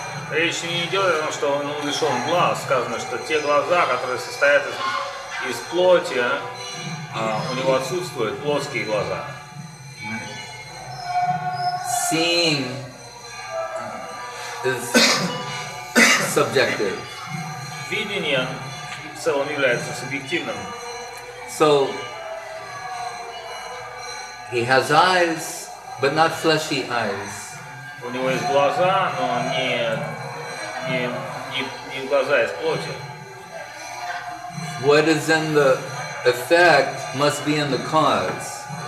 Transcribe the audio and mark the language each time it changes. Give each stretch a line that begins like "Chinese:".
Russian: Речь не идет о том, что он лишен глаз. Сказано, что те глаза, которые состоят из плоти, у него отсутствуют плоские глаза.
English: Seeing is subjective.
Russian: Видение в целом является субъективным.
English: So he has eyes, but not fleshy eyes.
Russian: У него есть глаза, но не не глаза из плоти.
English: What is in the effect must be in the cause.